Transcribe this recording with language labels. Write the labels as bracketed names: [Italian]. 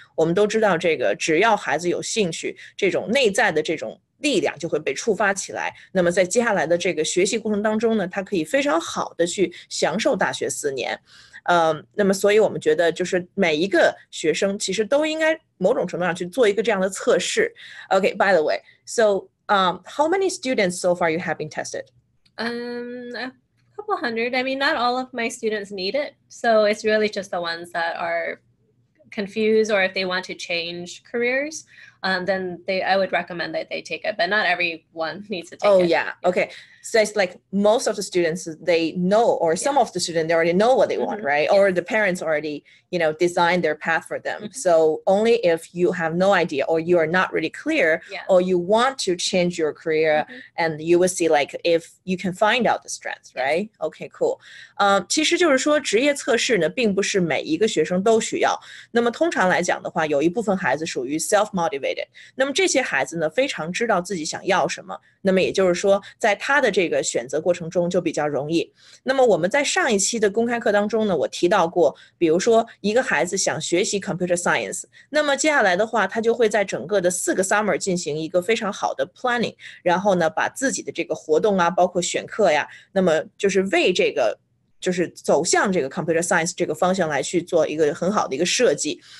[Chinese] 我们都知道，这个只要孩子有兴趣，这种内在的这种力量就会被触发起来。那么在接下来的这个学习过程当中呢，他可以非常好的去享受大学4年。那么所以我们觉得，就是每一个学生其实都应该某种程度上去做一个这样的测试。 [English] OK，by the way，so how many students so far you have been tested？ A couple hundred. I mean, not all of my students need it. So it's really just the ones that are confused or if they want to change careers. Then they, I would recommend that they take it, but not everyone needs to take it. Yeah. Okay. So it's like most of the students, they know, or some of the students, they already know what they want, right? Yes. Or the parents already, you know, designed their path for them. Mm-hmm. So only if you have no idea, or you are not really clear, or you want to change your career, and you will see like if you can find out the strengths, right? Yes. Okay, cool. [Chinese] 其实就是说职业测试呢并不是每一个学生都需要。那么通常来讲的话，有一部分孩子属于 self-motivated。那么这些孩子呢非常知道自己想要什么。那么也就是说在他的这个选择过程中就比较容易。那么我们在上一期的公开课当中呢，我提到过，比如说一个孩子想学习 computer science， 那么接下来的话他就会在整个的四个 summer 进行一个非常好的 planning， 然后呢把自己的这个活动啊，包括选课呀，那么就是为这个就是走向这个 computer science 这个方向来去做一个很好的一个设计。